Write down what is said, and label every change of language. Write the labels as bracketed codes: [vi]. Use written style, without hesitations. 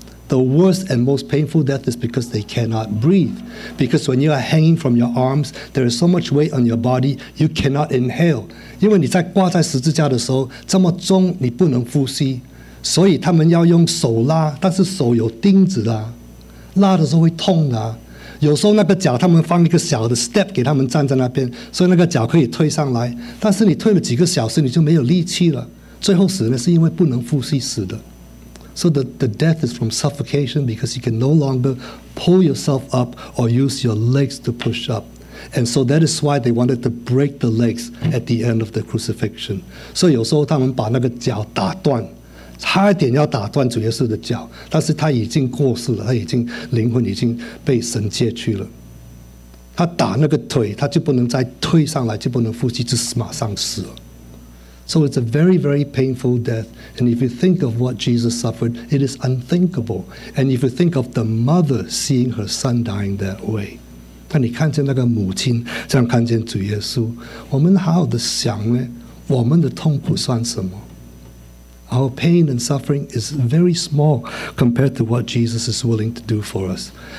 [en] The worst and most painful death is because they cannot breathe. Because when you are hanging from your arms, there is so much weight on your body, you cannot inhale. [zh] 因为你在挂在十字架的时候，这么重，你不能呼吸。所以他们要用手拉，但是手有钉子的，拉的时候会痛的。有时候那个脚他们放一个小的step给他们站在那边， 所以那个脚可以推上来，但是你推了几个小时你就没有力气了，最后死呢是因为不能呼吸死的。 [en] So the death is from suffocation because you can no longer pull yourself up or use your legs to push up. And so that is why they wanted to break the legs at the end of the crucifixion. [zh] 所以有时候他们把那个脚打断， 差一点要打断主耶稣的脚，但是他已经过世了，他已经灵魂已经被神接去了。他打那个腿，他就不能再推上来，就不能呼吸，就马上死了。 [en] So it's a very, very painful death. And if you think of what Jesus suffered, it is unthinkable. And if you think of the mother seeing her son dying that way, [zh] 当你看见那个母亲这样看见主耶稣，我们好好的想呢，我们的痛苦算什么？ [en] Our pain and suffering is very small compared to what Jesus is willing to do for us.